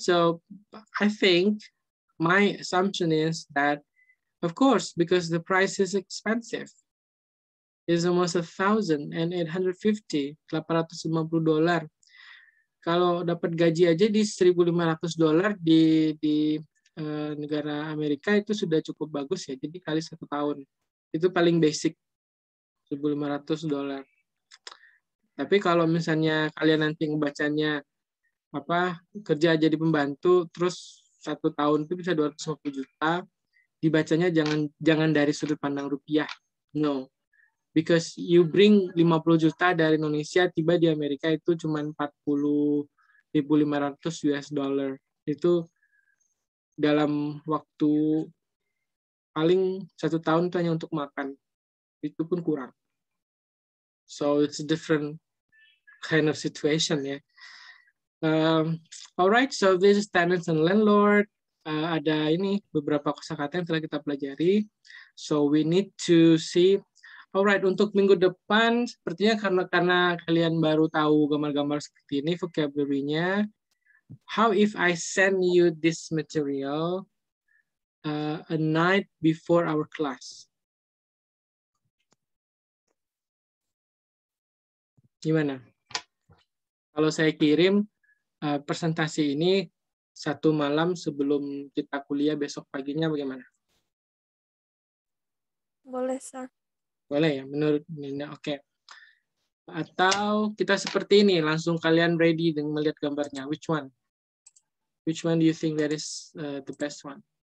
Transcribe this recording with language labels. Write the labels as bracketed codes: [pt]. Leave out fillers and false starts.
[en] So I think my assumption is that, of course, because the price is expensive, it's almost $1,850. $850. [id] Kalau dapat gaji aja di $1,500 di negara Amerika itu sudah cukup bagus ya. Jadi kali satu tahun itu paling basic $1,500. Tapi kalau misalnya kalian nanti ngebacanya apa kerja jadi pembantu terus satu tahun itu bisa 250 juta, dibacanya jangan dari sudut pandang rupiah. [en] No. Because you bring [id] 50 juta dari Indonesia tiba di Amerika itu cuma $40,500. Itu dalam waktu paling satu tahun itu hanya untuk makan. Itu pun kurang. [en] So it's different kind of situation, yeah. All right, so this is tenants and landlord. [id] ada ini beberapa kosakata yang telah kita pelajari. [en] So we need to see. [id] Alright, untuk minggu depan sepertinya karena kalian baru tahu gambar-gambar seperti ini vocabulary-nya. [en] How if I send you this material a night before our class? [id] Gimana? Kalau saya kirim presentasi ini satu malam sebelum kita kuliah besok paginya bagaimana? Boleh, Sir. Boleh ya, menurut Nina. Oke. Okay. Atau kita seperti ini, langsung kalian ready dengan melihat gambarnya. [en] Which one? Which one do you think that is the best one?